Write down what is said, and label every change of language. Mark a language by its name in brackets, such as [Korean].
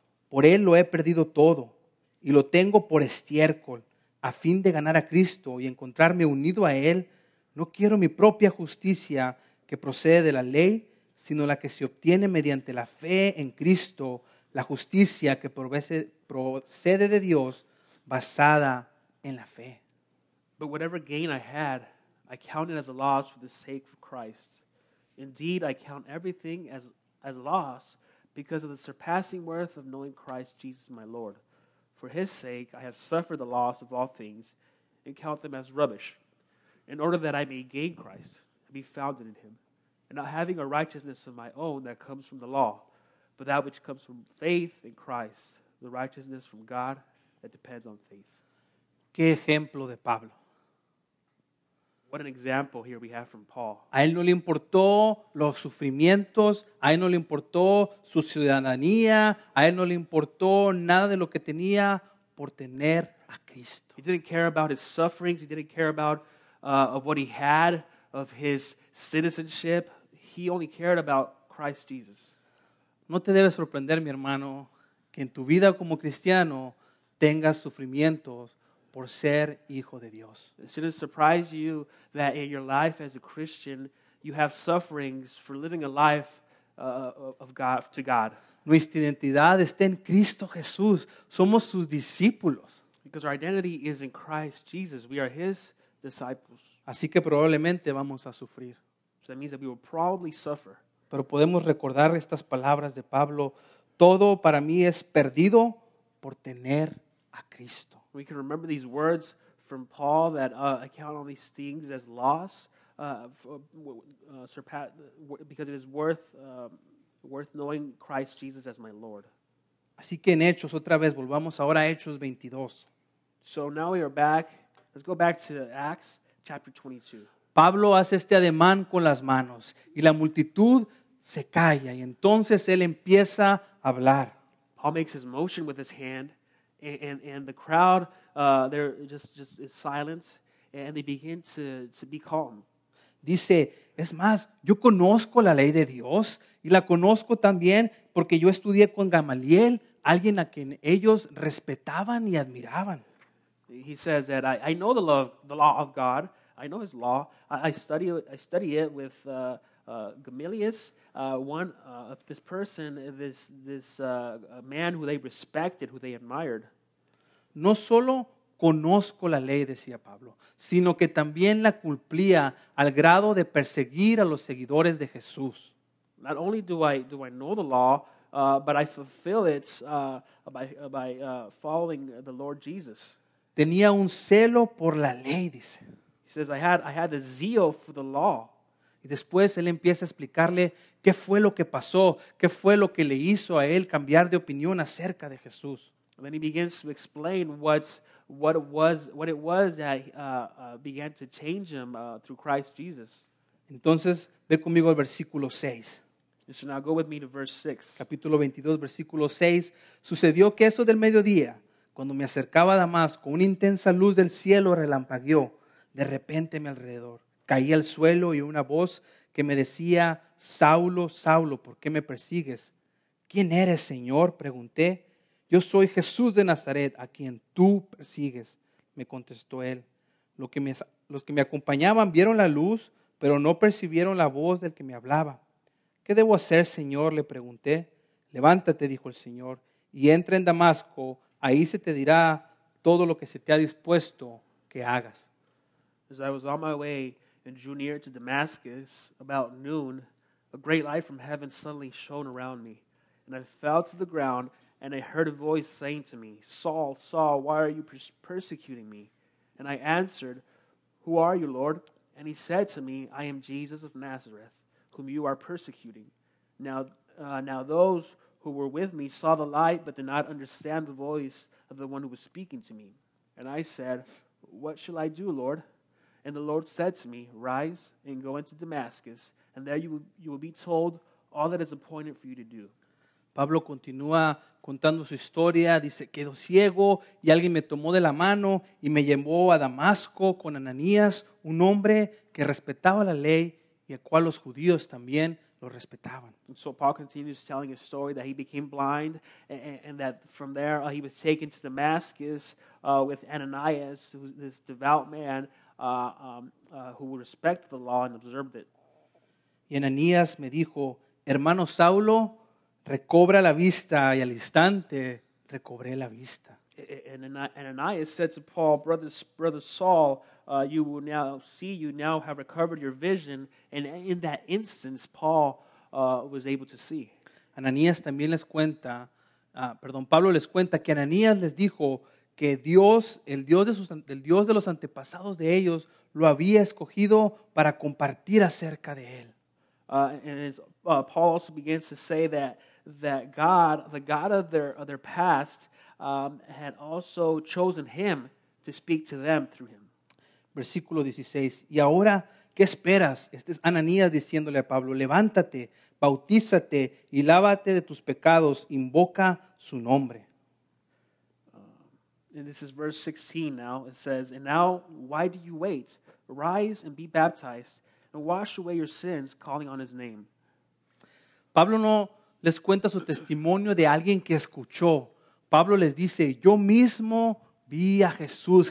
[Spanish] Por Él lo he perdido todo y lo tengo por estiércol a fin de ganar a Cristo y encontrarme unido a Él, No quiero mi propia justicia que procede de la ley, sino la que se obtiene mediante la fe en Cristo, la justicia que procede de Dios basada en la fe. [English] But whatever gain I had, I counted as a loss for the sake of Christ. Indeed, I count everything as loss because of the surpassing worth of knowing Christ Jesus my Lord. For his sake, I have suffered the loss of all things and count them as rubbish, in order that I may gain Christ and be found in him, and not having a righteousness of my own that comes from the law, but that which comes from faith in Christ, the righteousness from God that depends on faith. [Spanish] ¿Qué ejemplo de Pablo? [English] What an example here we have from Paul. [Spanish] A él no le importó los sufrimientos, a él no le importó su ciudadanía, a él no le importó nada de lo que tenía por tener a Cristo. [English] He didn't care about his sufferings, he didn't care about of what he had, of his citizenship. He only cared about Christ Jesus. [Spanish] No te debes sorprender, mi hermano, que en tu vida como cristiano tengas sufrimientos por ser hijo de Dios. [English] It shouldn't surprise you that in your life as a Christian, you have sufferings for living a life of God to God. [Spanish] Nuestra identidad está en Cristo Jesús. Somos sus discípulos. [English] Because our identity is in Christ Jesus. We are his disciples. [Spanish] Así que probablemente vamos a sufrir. [English] So that means that we will probably suffer. [Spanish] Pero podemos recordar estas palabras de Pablo. Todo para mí es perdido por tener a Cristo. [English] We can remember these words from Paul that I count all these things as loss because it is worth knowing Christ Jesus as my Lord. [Spanish] Así que en Hechos, otra vez, volvamos ahora a Hechos 22. [English] So now we are back. Let's go back to Acts chapter 22. [Spanish] Pablo hace este ademán con las manos y la multitud se calla y entonces él empieza a hablar. [English] Paul makes his motion with his hand. And the crowd, they're just is silent, and they begin to be calm. [Spanish] Dice, es más, yo conozco la ley de Dios, y la conozco también porque yo estudié con Gamaliel, alguien a quien ellos respetaban y admiraban. [English] He says that I know the law of God. I know his law. I study it with Gamaliel, man who they respected, who they admired. [Spanish] No solo conozco la ley, decía Pablo, sino que también la cumplía al grado de perseguir a los seguidores de Jesús. [English] Not only do I know the law, but I fulfill it by following the Lord Jesus. [Spanish] Tenía un celo por la ley, dice. [English] He says, I had a zeal for the law. [Spanish] Y después él empieza a explicarle qué fue lo que pasó, qué fue lo que le hizo a él cambiar de opinión acerca de Jesús. [English] And then he begins to explain what it was that began to change him through Christ Jesus. [Spanish] Entonces, ve conmigo al versículo 6. [English] So now go with me to verse 6. [Spanish] Capítulo 22, versículo 6. Sucedió que eso del mediodía, cuando me acercaba a Damasco, una intensa luz del cielo relampagueó de repente a mi alrededor. Caí al suelo y una voz que me decía, Saulo, Saulo, ¿por qué me persigues? ¿Quién eres, Señor? Pregunté. Yo soy Jesús de Nazaret, a quien tú persigues, me contestó él. Los que me acompañaban vieron la luz, pero no percibieron la voz del que me hablaba. ¿Qué debo hacer, Señor? Le pregunté. Levántate, dijo el Señor, y entra en Damasco. Ahí se te dirá todo lo que se te ha dispuesto que hagas. [English] As I was on my way and drew near to Damascus, about noon, a great light from heaven suddenly shone around me, and I fell to the ground. And I heard a voice saying to me, Saul, Saul, why are you persecuting me? And I answered, Who are you, Lord? And he said to me, I am Jesus of Nazareth, whom you are persecuting. Now those who were with me saw the light, but did not understand the voice of the one who was speaking to me. And I said, What shall I do, Lord? And the Lord said to me, Rise and go into Damascus, and there you will be told all that is appointed for you to do. [Spanish] Pablo continúa contando su historia, dice, quedó ciego y alguien me tomó de la mano y me llevó a Damasco con Ananías, un hombre que respetaba la ley y al cual los judíos también lo respetaban. [English] And so Paul continues telling his story that he became blind and that from there he was taken to Damascus with Ananias, who was this devout man who respect the law and observed it. [Spanish] Y Ananías me dijo, hermano Saulo, recobra la vista, y al instante recobré la vista. [English] And Ananias said to Paul, brother Saul, you will now see, you now have recovered your vision. And in that instance, Paul was able to see. [Spanish] Ananías también les cuenta, Pablo les cuenta que Ananías les dijo que Dios, el Dios de los antepasados de ellos, lo había escogido para compartir acerca de él. [English] Paul also begins to say that God, the God of their past, had also chosen him to speak to them through him. [Spanish] Versículo 16, y ahora, ¿qué esperas? Este es Ananías diciéndole a Pablo, levántate, bautízate y lávate de tus pecados, invoca su nombre. [English] And this is verse 16 now. It says, and now, why do you wait? Rise and be baptized and wash away your sins, calling on his name. [Spanish] Pablo no les cuenta su testimonio de alguien que escuchó. Pablo les dice, yo mismo vi a Jesús.